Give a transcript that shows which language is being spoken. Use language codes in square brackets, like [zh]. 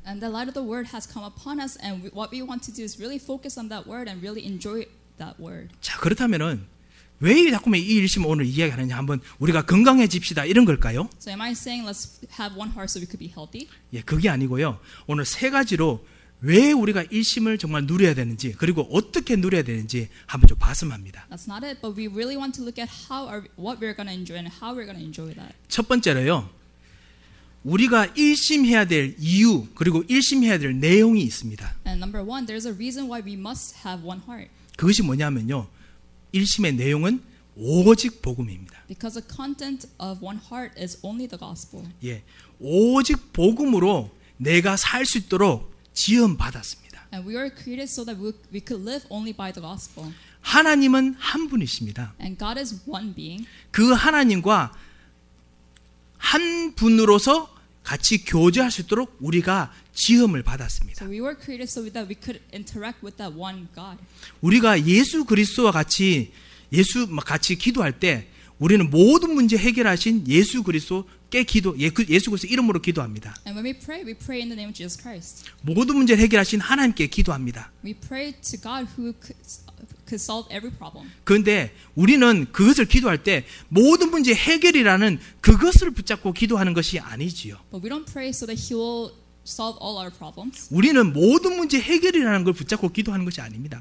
[en] And the light of the word has come upon us and what we want to do is really focus on that word and really enjoy that word. [ko] 자, 그렇다면은 왜 자꾸 이 일심을 오늘 이야기하느냐? 한번 우리가 건강해집시다 이런 걸까요? [en] So am I saying let's have one heart so we could be healthy? [ko] 예, 그게 아니고요. 오늘 세 가지로 왜 우리가 일심을 정말 누려야 되는지 그리고 어떻게 누려야 되는지 한번 좀 봤으면 합니다. [en] That's not it, but we really want to look at how are what we're going to enjoy and how we're going to enjoy that. [ko] 첫 번째로요. 우리가 일심해야 될 이유 그리고 일심해야 될 내용이 있습니다. [en] And number one, there's a reason why we must have one heart. [ko] 그것이 뭐냐면요. 일심의 내용은 오직 복음입니다. [en] Because the content of one heart is only the gospel. [ko] 예. 오직 복음으로 내가 살 수 있도록 지음 받았습니다. [en] And we were created so that we could live only by the gospel. [ko] 하나님은 한 분이십니다. [en] And God is one being. [ko] 그 하나님과 한 분으로서 같이 교제할 수 있도록 우리가 지음을 받았습니다. [en] So we were created so that we could interact with that one God. [ko] 우리가 예수 그리스도와 같이 예수 같이 기도할 때 우리는 모든 문제 해결하신 예수 그리스도께 기도 예수 그리스도 이름으로 기도합니다. [en] And when we pray in the name of Jesus Christ. [ko] 모든 문제 해결하신 하나님께 기도합니다. [en] We pray to God who could solve every problem. [ko] 그런데 우리는 그것을 기도할 때 모든 문제 해결이라는 그것을 붙잡고 기도하는 것이 아니지요. [en] But we don't pray so that he will solve all our problems. [ko] 우리는 모든 문제 해결이라는 걸 붙잡고 기도하는 것이 아닙니다.